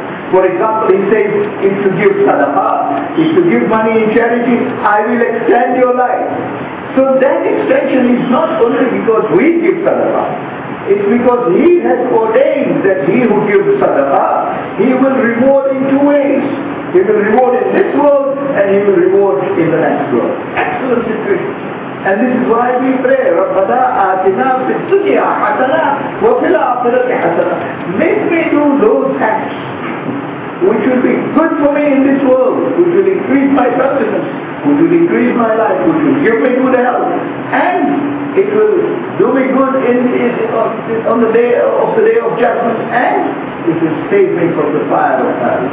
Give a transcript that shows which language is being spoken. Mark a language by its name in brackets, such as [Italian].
[English] For example, He says, if you give sadaqa, if you give money in charity, I will extend your life. So that extension is not only because we give sadaqa. It's because He has ordained that he who gives sadaqa, He will reward in two ways. He will reward in this world and He will reward in the next world. Excellent situation. And this is why we pray, [Arabic] رَبَّنَا آتِنَا فِي الدُّنْيَا حَسَنَا وَفِي الْآخِرَةِ حَسَنَا. [English] Make me do those acts which will be good for me in this world, which will increase my happiness, which will increase my life, which will give me good health, and it will do me good on the day of judgment, and it will save me from the fire of hell.